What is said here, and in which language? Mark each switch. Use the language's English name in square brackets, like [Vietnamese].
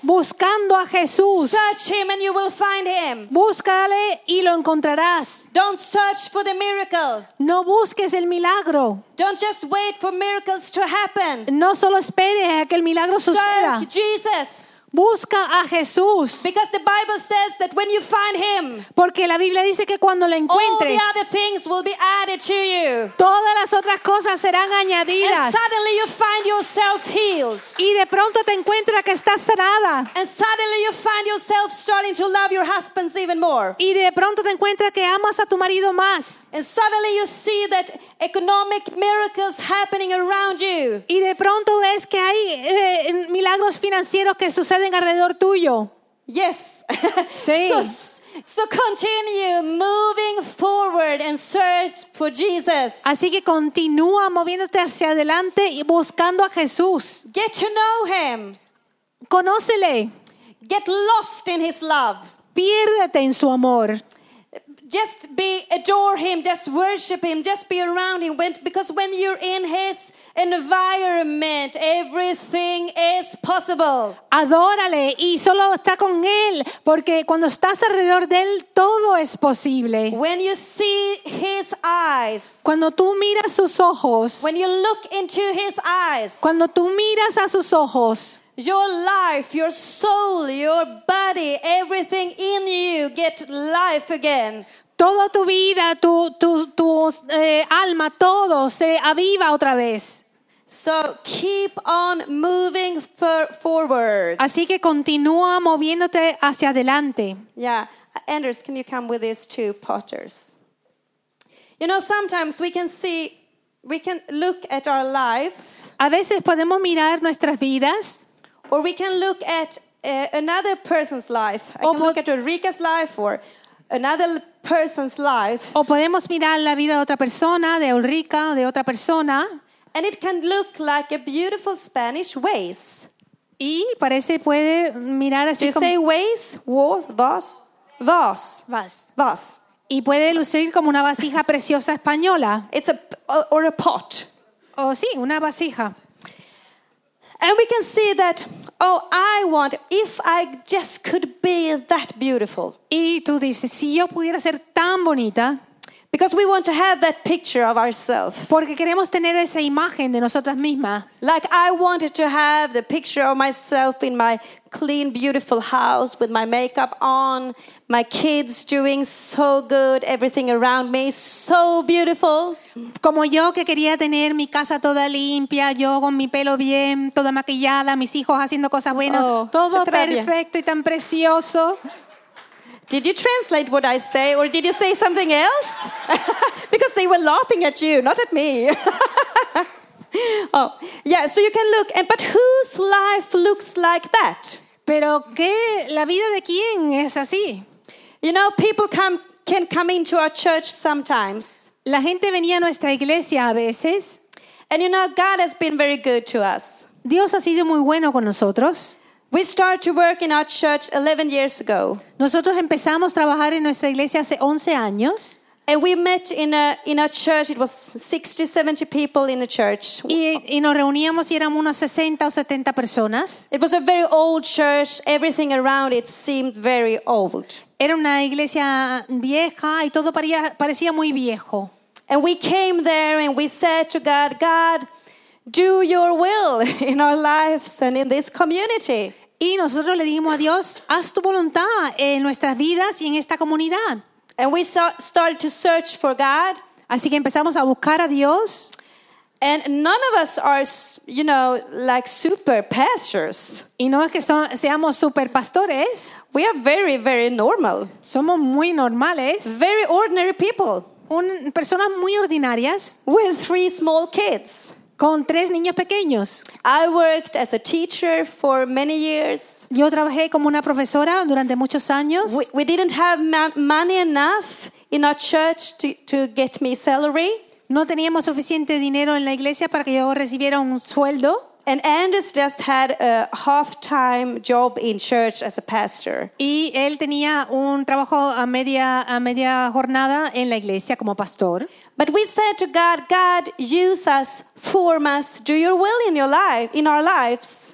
[Spanish] Buscando a Jesús. [English] Search him and you will find him. [Spanish] Búscale y lo encontrarás. [English] Don't search for the miracle. [Spanish] No busques el milagro. [English] Don't just wait for miracles to happen. [Spanish] No solo esperes a que el milagro suceda. [English] Search Jesus. [Spanish] Busca a Jesús. [English] Because the Bible says that when you find him, [Spanish] porque la Biblia dice que cuando lo encuentres, [English] all the other things will be added to you. [Spanish] Todas las otras cosas serán añadidas. [English] And suddenly you find yourself healed. [Spanish] Y de pronto te encuentras que estás sanada. [English] And suddenly you find yourself starting to love your husbands even more. [Spanish] Y de pronto te encuentras que amas a tu marido más. [English] And suddenly you see that economic miracles happening around you. [Spanish] Y de pronto ves que hay milagros financieros que suceden alrededor tuyo. [English] Yes. [Spanish] Sí. [English] So continue moving forward and search for Jesus. [Spanish] Así que continúa moviéndote hacia adelante y buscando a Jesús. [English] Get to know him. [Spanish] Conócele. [English] Get lost in his love. [Spanish] Piérdete en su amor. [English] Just be adore him, just worship him, just be around him, because when you're in his environment, everything is possible. [Spanish] Adórale y solo está con él, porque cuando estás alrededor de él todo es posible. [English] When you see his eyes, [Spanish] cuando tú miras sus ojos, [English] when you look into his eyes, [Spanish] cuando tú miras a sus ojos, [English] your life, your soul, your body, everything in you get life again. [Spanish] Toda tu vida, tu alma, todo se aviva otra vez. [English] So keep on moving forward. [Spanish] Así que continúa moviéndote hacia adelante. [English] Yeah, Anders, can you come with these two potters? You know, sometimes we can look at our lives. [Spanish] A veces podemos mirar nuestras vidas. [English] Or we can look at another person's life. Look at Ulrika's life or another person's life. [Spanish] O podemos mirar la vida de otra persona, de Ulrika o de otra persona. [English] And it can look like a beautiful Spanish vase. [Spanish] Y parece puede mirar así. [English] Do you [Spanish] como [English] say vase, vos, vos, vas, vas. [Spanish] Y puede lucir como una vasija preciosa española. [English] It's a or a pot. [Spanish] O sí, una vasija. [English] And we can see that, oh, I want, if I just could be that beautiful. [Spanish] Y tú dices, si yo pudiera ser tan bonita. [English] Because we want to have that picture of ourselves. [Spanish] Porque queremos tener esa imagen de nosotras mismas. [English] Like I wanted to have the picture of myself in my clean, beautiful house with my makeup on, my kids doing so good, everything around me so beautiful. [Spanish] Como yo que quería tener mi casa toda limpia, yo con mi pelo bien, toda maquillada, mis hijos haciendo cosas buenas, oh, todo perfecto y tan precioso. [English] Did you translate what I say or did you say something else? Because they were laughing at you, not at me. Oh, yeah, so you can look. But whose life looks like that? [Spanish] Pero ¿qué? ¿La vida de quién es así? [English] You know, people can come into our church sometimes. [Spanish] La gente venía a nuestra iglesia a veces. [English] And you know, God has been very good to us. [Spanish] Dios ha sido muy bueno con nosotros. [English] We started to work in our church 11 years ago. [Spanish] Nosotros empezamos a trabajar en nuestra iglesia hace 11 años. [English] And we met in a church, it was 60, 70 people in the church. [Spanish] Y nos reuníamos y éramos unas 60 o 70 personas. [English] It was a very old church, everything around it seemed very old. [Spanish] Era una iglesia vieja y todo parecía muy viejo. [English] And we came there and we said to God, do your will in our lives and in this community. [Spanish] Y nosotros le dijimos a Dios, haz tu voluntad en nuestras vidas y en esta comunidad. [English] And we started to search for God. [Spanish] Así que empezamos a buscar a Dios. [English] And none of us are, you know, like super pastors. [Spanish] Y no es que seamos super pastores. [English] We are very, very normal. [Spanish] Somos muy normales. [English] Very ordinary people. [Spanish] Personas muy ordinarias. [English] With three small kids. [Spanish] Con tres niños pequeños. [English] I worked as a teacher for many years. [Spanish] Yo trabajé como una profesora durante muchos años. [English] We didn't have money enough in our church to get me salary. [Spanish] No teníamos suficiente dinero en la iglesia para que yo recibiera un sueldo. [English] And Anders just had a half-time job in church as a pastor. [Spanish] Y él tenía un trabajo a media jornada en la iglesia como pastor. [English] But we said to God, God, use us, form us, do your will in your life, in our lives.